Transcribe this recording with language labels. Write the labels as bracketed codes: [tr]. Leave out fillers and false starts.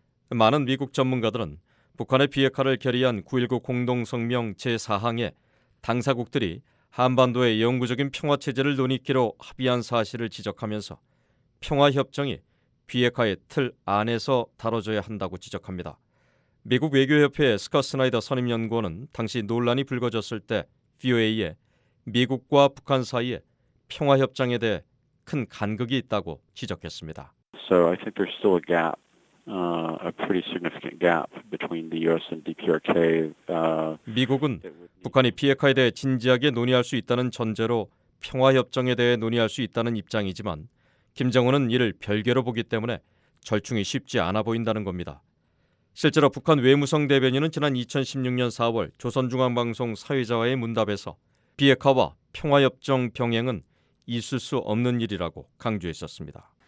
[ko] 많은 미국 전문가들은 북한의 비핵화를 결의한 9.19 공동성명 제4항에 당사국들이 한반도의 영구적인 평화체제를 논의키로 합의한 사실을 지적하면서 평화협정이 비핵화의 틀 안에서 다뤄져야 한다고 지적합니다. 미국 외교협회의 스콧 스나이더 선임연구원은 당시 논란이 불거졌을 때 VOA에 미국과 북한 사이에 평화협정에 대해 큰 간극이 있다고 지적했습니다. [en] So I think there's still a gap, a pretty significant gap between the U.S. and DPRK. [ko] 미국은 북한이 PFK에 대해 진지하게 논의할 수 있다는 전제로 평화협정에 대해 논의할 수 있다는 입장이지만 김정은은 이를 별개로 보기 때문에 절충이 쉽지 않아 보인다는 겁니다. 실제로 북한 외무성 대변인은 지난 2016년 4월 조선중앙방송 사회자와의 문답에서 비핵화와 평화협정 병행은 있을 수 없는 일이라고 강조했었습니다.